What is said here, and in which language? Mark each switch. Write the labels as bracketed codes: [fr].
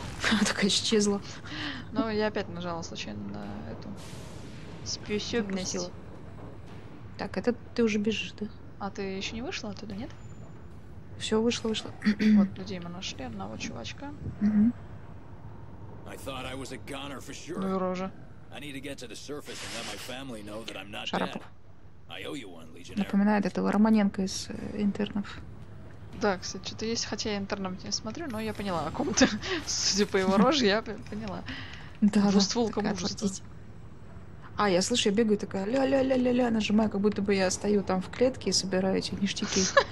[ru] Она такая исчезла. Ну, я опять нажала случайно на эту способность. Так, это ты уже бежишь, да? А ты еще не вышла оттуда, нет? Все, вышло, вышло. Вот людей мы нашли, одного чувачка. [en] I thought I was a goner for sure. [ru] Ну и рожа. [en] I need to get to the surface and let my family know that I'm not [ru] Шарапов. [en] Dead. I owe you one, Legionnaire. [ru] Напоминает этого Романенко из Интернов. Да, кстати, что-то есть, хотя я Интернов не смотрю, но я поняла о ком-то. Судя по его роже, я поняла. Да, да. Двустволка мужества. А, я слышу, я бегаю такая ля-ля-ля-ля-ля, нажимаю, как будто бы я стою там в клетке и собираю эти ништяки.